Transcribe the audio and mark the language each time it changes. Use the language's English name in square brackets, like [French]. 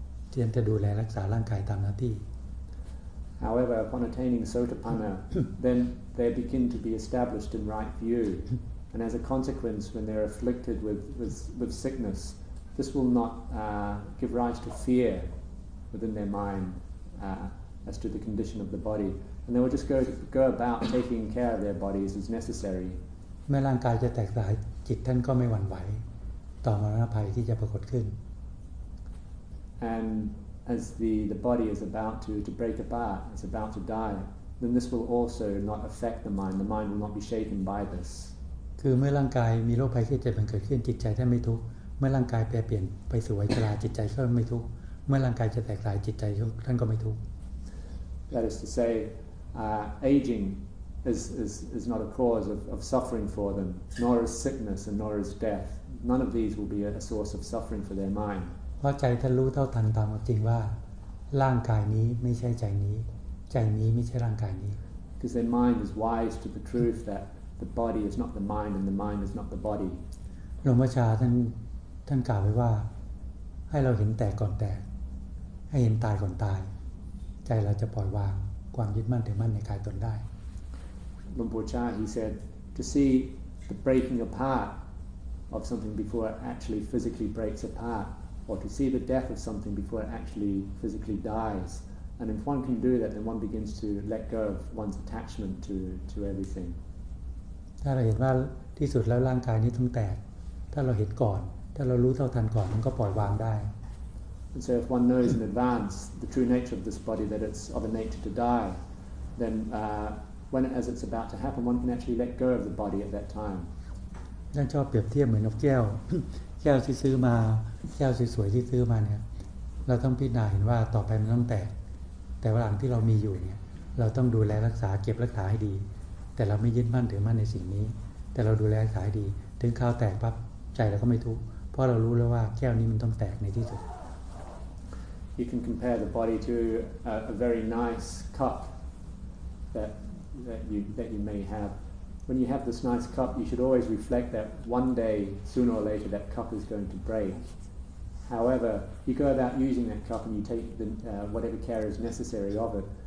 [Thai] เตรียมจะดูแลรักษาร่างกายตามหน้าที่ [English] However upon attaining Sotapanna then they begin to be established in right view and as a consequence when they're afflicted with sickness this will not give rise to fear within their mind as to the condition of the body and they will just go about taking care of their bodies as necessary [Thai] เมื่อร่างกายจะแตกสลายจิตท่านก็ไม่หวั่นไหวต่อมรณภัยที่จะปรากฏขึ้น [English] And as the body is about to break apart, it's about to die, then this will also not affect the mind. The mind will not be shaken by this. [Thai] คือเมื่อร่างกายมีโรคภัยไข้เจ็บมันเกิดขึ้นจิตใจท่านไม่ทุกข์เมื่อร่างกายแปรเปลี่ยนไปสู่วัยชราจิตใจก็ไม่ทุกข์เมื่อร่างกายจะแตกสลายจิตใจท่านก็ไม่ทุกข์ [English] That is to say, aging is not a cause of suffering for them, nor is sickness and nor is death. None of these will be a source of suffering for their mind. [Thai] เพราะใจท่านรู้เท่าทันตามความจริงว่าร่างกายนี้ไม่ใช่ใจนี้ใจนี้ไม่ใช่ร่างกายนี้ [English] Because their mind is wise to the truth that the body is not the mind and the mind is not the body [Thai] หลวงพ่อชาท่านกล่าวไว้ว่าให้เราเห็นแตกก่อนแตกให้เห็นตายก่อนตายใจเราจะปล่อยวางความยึดมั่นถือมั่นในกายตนได้ [English] หลวงพ่อชา he said to see the breaking apart of something before it actually physically breaks apartor to see the death of something before it actually physically dies. And if one can do that, then one begins to let go of one's attachment to everything. [Thai] ถ้าเราเห็นว่าที่สุดแล้วร่างกายนี้ต้องแตกถ้าเราเห็นก่อนถ้าเรารู้เท่าทันก่อนมันก็ปล่อยวางได้ [English] And so if one knows in advance the true nature of this body, that it's of a nature to die, then as it's about to happen, one can actually let go of the body at that time. [Thai] ท่านชอบเปรียบเทียบเหมือนนกแก้วแก้วที่ซื้อมาแก้วสวยๆที่ซื้อมาเนี่ยเราต้องพิจารณาเห็นว่าต่อไปมันต้องแตกแต่ว่าหลังที่เรามีอยู่เนี่ยเราต้องดูแลรักษาเก็บรักษาให้ดีแต่เราไม่ยึดมั่นถือมั่นในสิ่งนี้แต่เราดูแลรักษาให้ดีถึงข้าวแตกปั๊บใจเราก็ไม่ทุกข์เพราะเรารู้แล้วว่าแก้วนี้มันต้องแตกในที่สุด [English] You can compare the body to a very nice cup that you may haveWhen you have this nice cup, you should always reflect that one day, sooner or later, that cup is going to break. However, you go about using that cup and you take whatever care is necessary of it.